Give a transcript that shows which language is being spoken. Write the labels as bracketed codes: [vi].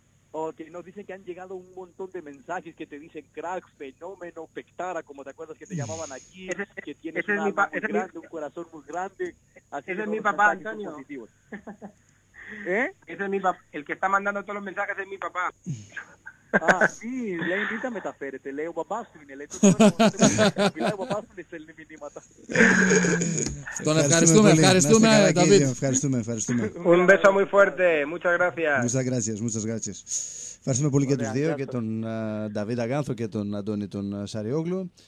[es] Okay, nos dicen que han llegado un montón de mensajes que te dicen crack, fenómeno, pectara, como te acuerdas que te llamaban aquí, que tienes un alma muy grande, un corazón muy grande. Ese es mi papá, Antonio. ¿Eh? Ese es mi papá. El que está mandando todos los mensajes es mi papá. Ah, sí, [el] λέει μην τα μεταφέρετε, λέει ο παπάς του είναι, λέει το τόνο, μιλάει ο παπάς του, στέλνει μηνύματα. Τον ευχαριστούμε, ευχαριστούμε, David. Ευχαριστούμε, ευχαριστούμε. [es] Un beso muy fuerte, muchas gracias. Muchas gracias, muchas gracias. [el] Ευχαριστούμε πολύ και τους δύο, και τον David Aganzo και τον Αντώνη τον Σαριόγλου.